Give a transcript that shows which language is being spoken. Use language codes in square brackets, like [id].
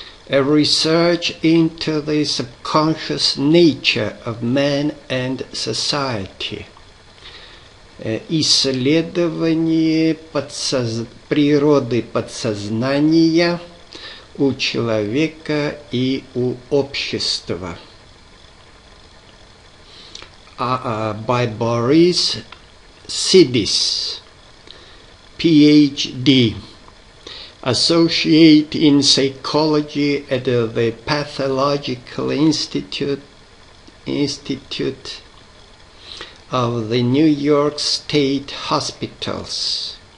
[en] A research into the subconscious nature of man and society. [ru] Исследование природы подсознания у человека и у общества. [en] By Boris Sidis, PhD, Associate in Psychology at the Pathological Institute of the New York State Hospitals.